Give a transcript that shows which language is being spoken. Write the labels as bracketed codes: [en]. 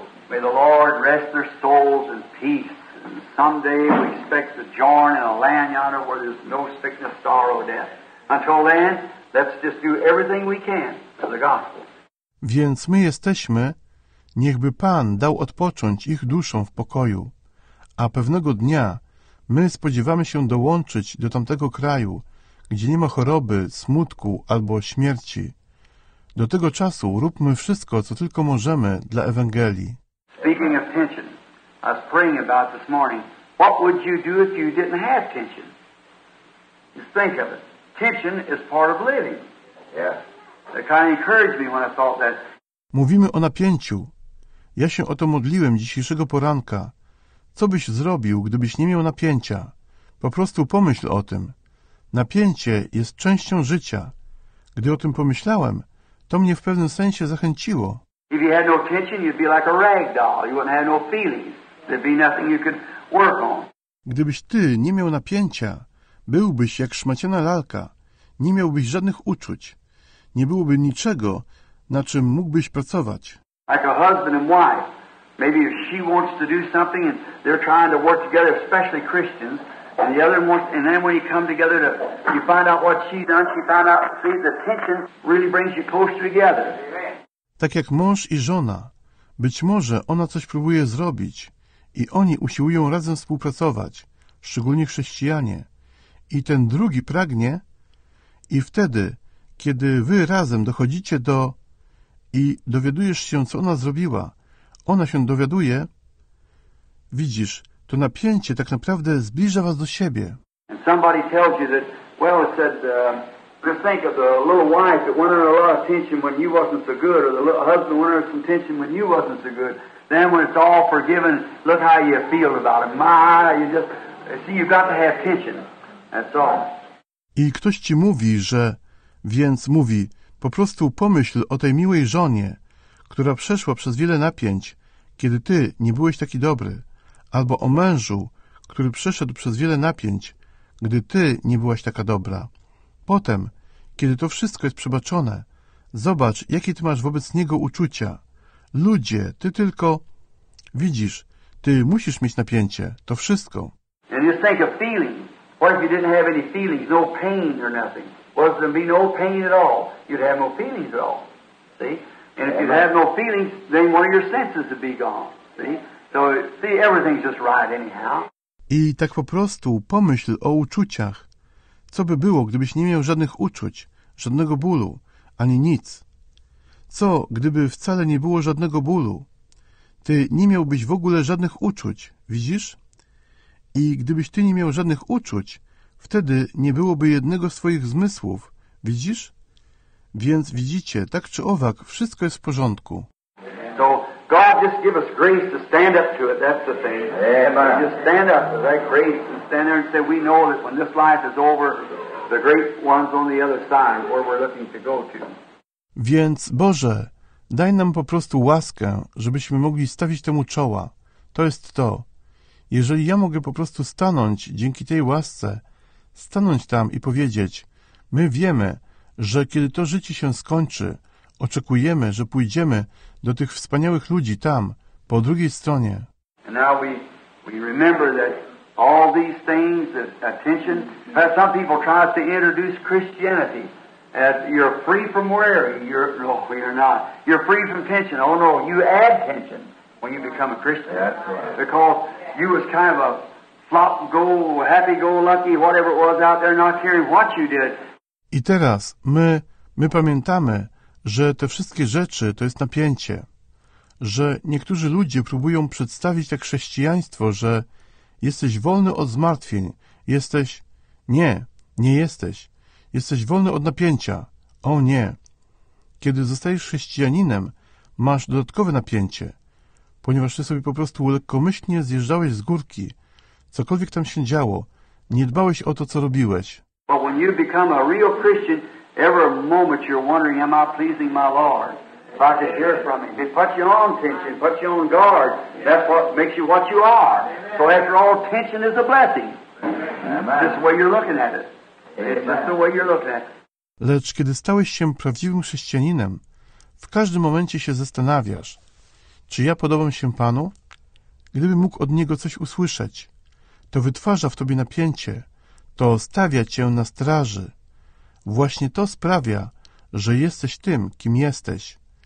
[en] May the Lord rest their souls in peace. And someday we expect to join in a land yonder where there's no sickness, sorrow, death. Until then, let's just do everything we can for the gospel. [pl] Więc my jesteśmy, niechby Pan dał odpocząć ich duszom w pokoju. A pewnego dnia my spodziewamy się dołączyć do tamtego kraju, gdzie nie ma choroby, smutku albo śmierci. Do tego czasu róbmy wszystko, co tylko możemy dla Ewangelii. [en] Speaking of tension, I was praying about this morning. What would you do if you didn't have tension? Just think of it. Tension is part of living. Yeah. It kind of encouraged me when I thought that. [pl] Mówimy o napięciu. Ja się o to modliłem dzisiejszego poranka. Co byś zrobił, gdybyś nie miał napięcia? Po prostu pomyśl o tym. Napięcie jest częścią życia. Gdy o tym pomyślałem, to mnie w pewnym sensie zachęciło. [en] If you had no tension, you'd be like a rag doll. You wouldn't have no feelings. There'd be nothing you could work on. [pl] Gdybyś ty nie miał napięcia, byłbyś jak szmaciana lalka. Nie miałbyś żadnych uczuć. Nie byłoby niczego, na czym mógłbyś pracować. [en] Like a husband and wife. Maybe if she wants to do something and they're trying to work together, especially Christians, and the other wants, and then when you come together to you find out what she done, she found out, see, the tension really brings you closer together. [pl] Tak jak mąż i żona. Być może ona coś próbuje zrobić i oni usiłują razem współpracować, szczególnie chrześcijanie. I ten drugi pragnie i wtedy, kiedy wy razem dochodzicie do i dowiadujesz się, co ona zrobiła, ona się dowiaduje, widzisz, to napięcie tak naprawdę zbliża was do siebie. [en] And somebody tells you that, well, it said, just think of the little wife that went under a lot of tension when you wasn't so good, or the little husband went under some tension when you wasn't so good. Then when it's all forgiven, look how you feel about it. My, you just, see, you've got to have tension. That's all. [pl] I ktoś ci mówi, że, więc mówi, po prostu pomyśl o tej miłej żonie, która przeszła przez wiele napięć, kiedy ty nie byłeś taki dobry, albo o mężu, który przeszedł przez wiele napięć, gdy ty nie byłaś taka dobra. Potem, kiedy to wszystko jest przebaczone, zobacz, jakie ty masz wobec niego uczucia. Ludzie, ty tylko... Widzisz, ty musisz mieć napięcie, to wszystko. [en] And just think of feeling. What if you didn't have any feelings, no pain or nothing? What if there'd be no pain at all? You'd have no feelings at all. See? And if you have no feelings, then one of your senses would be gone. See? So, see, everything's just right anyhow. [pl] I tak po prostu pomyśl o uczuciach. Co by było, gdybyś nie miał żadnych uczuć, żadnego bólu, ani nic? Co, gdyby wcale nie było żadnego bólu? Ty nie miałbyś w ogóle żadnych uczuć, widzisz? I gdybyś ty nie miał żadnych uczuć, wtedy nie byłoby jednego z twoich zmysłów, widzisz? Więc widzicie, tak czy owak, wszystko jest w porządku. [en] So God just give us grace to stand up to it, that's the thing. Amen. Just stand up to that grace and stand there and say, we know that when this life is over, the great one's on the other side, where we're looking to go to. [pl] Więc, Boże, daj nam po prostu łaskę, żebyśmy mogli stawić temu czoła. To jest to. Jeżeli ja mogę po prostu stanąć dzięki tej łasce, stanąć tam i powiedzieć, my wiemy, że kiedy to życie się skończy, oczekujemy, że pójdziemy do tych wspaniałych ludzi tam, po drugiej stronie. [en] And now we remember that all these things, that attention, that some people try to introduce Christianity, that you're free from worry, you're not. You're free from tension. Oh no, you add tension when you become a Christian. That's right. Because you was kind of a flop-go, happy-go-lucky, whatever it was out there, not caring what you did. [pl] I teraz my pamiętamy, że te wszystkie rzeczy to jest napięcie, że niektórzy ludzie próbują przedstawić tak chrześcijaństwo, że jesteś wolny od zmartwień, jesteś... Nie, nie jesteś. Jesteś wolny od napięcia. O nie. Kiedy zostajesz chrześcijaninem, masz dodatkowe napięcie. ponieważ ty sobie po prostu lekkomyślnie zjeżdżałeś z górki. Cokolwiek tam się działo, nie dbałeś o to, co robiłeś. [en] But when you become a real Christian, every moment you're wondering, am I pleasing my Lord? If I could hear from him, it puts you on tension, puts you on guard. That's what makes you what you are. So after all, tension is a blessing. That's the way you're looking at it. That's the way you're looking at it. [pl] Lecz kiedy stałeś się prawdziwym chrześcijaninem, w każdym momencie się zastanawiasz, czy ja podobam się Panu? Gdybym mógł od Niego coś usłyszeć, to wytwarza w Tobie napięcie, to stawia Cię na straży. Właśnie to sprawia, że jesteś tym, kim jesteś.